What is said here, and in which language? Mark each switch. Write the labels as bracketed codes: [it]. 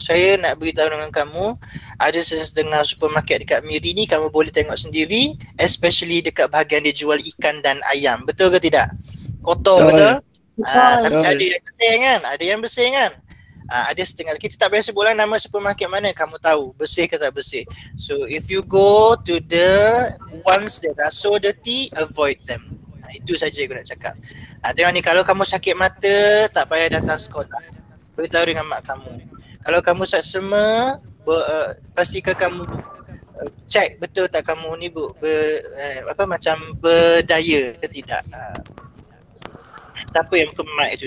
[ms] Saya nak beritahu dengan kamu, ada setengah supermarket dekat Miri ni, kamu boleh tengok sendiri, especially dekat bahagian dia jual ikan dan ayam. Betul ke tidak? Kotor, no, betul? Tapi ada yang bersih kan? Ada yang bersih kan? Ada setengah. Kita tak payah sebutlah nama supermarket mana, kamu tahu bersih ke tak bersih. [en] So if you go to the ones that are so dirty, avoid them. [ms] Itu saja aku nak cakap. Tengok ni, kalau kamu sakit mata, tak payah datang sekolah. Beritahu dengan mak kamu. Kalau kamu sakit semua, pastikan kamu check betul tak kamu ni macam berdaya ke tidak. Siapa yang kemat itu?